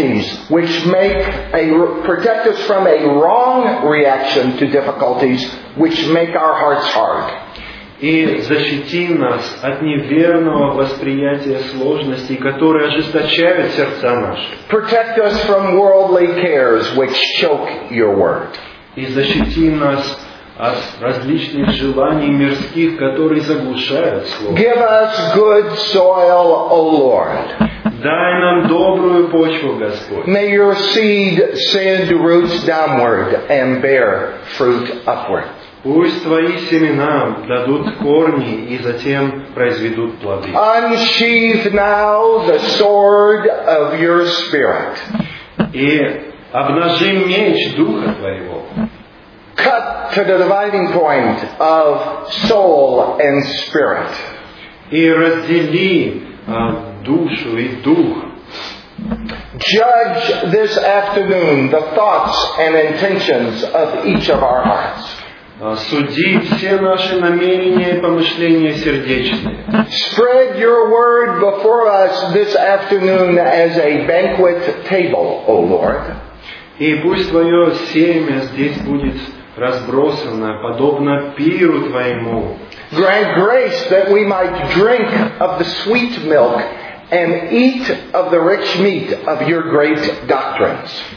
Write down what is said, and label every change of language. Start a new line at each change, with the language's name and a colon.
English: Protect us from a wrong reaction to difficulties which make our hearts hard.
Russian: И защити нас от неверного восприятия сложностей, которые ожесточают сердца наши.
English: Protect us from worldly cares which choke your word.
Russian: И защити нас от различных желаний мирских, которые заглушают слово.
English: Give us good soil, O Lord.
Russian: Дай нам добрую почву, Господь.
English: May your seed send roots downward and bear fruit upward.
Russian: Пусть твои семена дадут корни и затем произведут плоды.
English: Unsheath now the sword of your spirit.
Russian: И обнажи меч Духа твоего.
English: Cut to the dividing point of soul and spirit.
Russian: И раздели душу и дух.
English: Judge this afternoon the thoughts and intentions of each of our hearts.
Russian: Суди все наши намерения и помышления сердечные.
English: Spread your word before us this afternoon as a banquet table, O Lord.
Russian: И пусть твое семя здесь будет разбросано, подобно пиру твоему.
English: Grant grace that we might drink of the sweet milk and eat of the rich meat of your great doctrines.